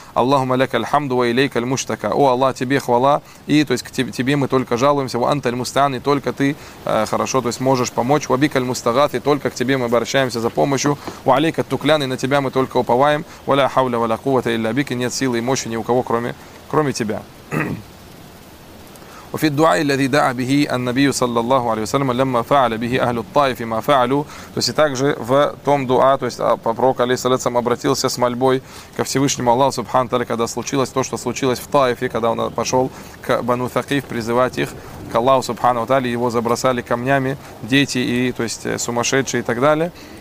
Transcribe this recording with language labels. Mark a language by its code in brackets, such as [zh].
[ar] Аллахумма лякаль хамду ва илейкаль муштака. [ru] О Аллах, тебе хвала, и то есть к тебе мы только жалуемся. [ar] Ва анталь мустаан, [ru] и только ты хорошо, то есть можешь помочь. [ar] Ва бикаль мустагат, [ru] и только к тебе мы обращаемся за помощью. [ar] Ва алейка туклян, [ru] и на тебя мы только уповаем. [ar] Ва ля хавля ва ля кувата илля бик, [ru] и нет силы и мощи ни у кого, кроме тебя. [ar] وفي الدعاء الذي دعا به النبي صلى الله عليه وسلم لما فعل به أهل الطائف ما فعلوا. [ru] То есть также в том дуа, то есть пророк алейхиссалям обратился с мольбой ко Всевышнему Аллаху субхану тааля, когда случилось то, что случилось в Таифе, когда он пошел к Бану Сакиф призывать их к Аллаху субхану тааля, его забросали камнями дети и то есть сумасшедшие и так далее.